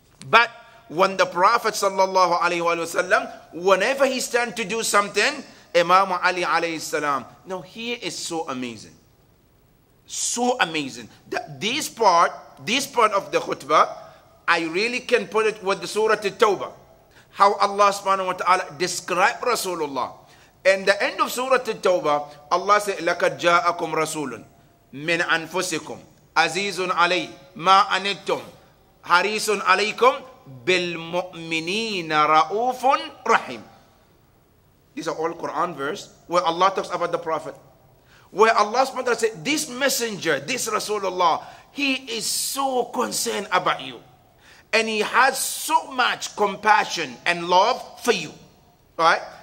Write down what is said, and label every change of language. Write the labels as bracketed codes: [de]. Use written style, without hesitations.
[en] But when the Prophet sallallahu alayhi wa sallam, whenever he stand to do something, Imam Ali alayhi salam, now here is so amazing. So amazing. That this part of the khutbah, I really can put it with the surah at-Tawbah. How Allah subhanahu wa ta'ala describe Rasulullah. [ar] In the end of surah at-Tawbah, Allah said, لَكَدْ جَاءَكُمْ رَسُولٌ مِنْ أَنفُسِكُمْ عَزِيزٌ عَلَيْهِ مَا أَنِتُمْ حَرِيصٌ عَلَيْكُمْ بِالْمُؤْمِنِينَ رَؤُوفٌ رَحِيمٌ. [en] These are all Quran verse where Allah talks about the Prophet. Where Allah subhanahu wa ta'ala said, this messenger, this Rasulullah, he is so concerned about you. And he has so much compassion and love for you. Right?